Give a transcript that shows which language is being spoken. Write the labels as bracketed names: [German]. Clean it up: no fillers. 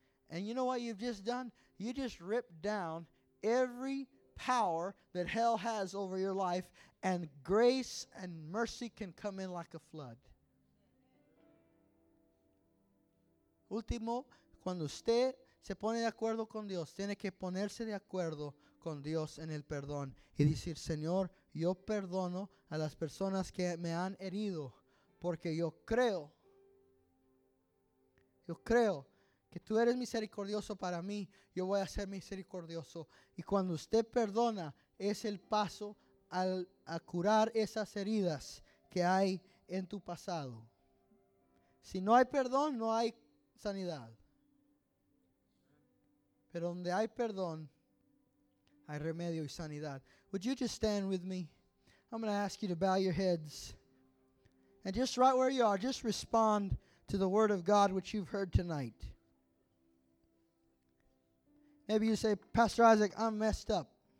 [English] And you know what you've just done? You just ripped down every power that hell has over your life, and grace and mercy can come in like a flood. [Spanish] Último, cuando usted se pone de acuerdo con Dios, tiene que ponerse de acuerdo con Dios en el perdón y decir, Señor, yo perdono a las personas que me han herido porque yo creo que tú eres misericordioso para mí, yo voy a ser misericordioso. Y cuando usted perdona, es el paso a curar esas heridas que hay en tu pasado. Si no hay perdón, no hay sanidad. Pero donde hay perdón, hay remedio y sanidad. [English] Would you just stand with me? I'm going to ask you to bow your heads. And just right where you are, just respond to the word of God which you've heard tonight. Maybe you say, Pastor Isaac, I'm messed up.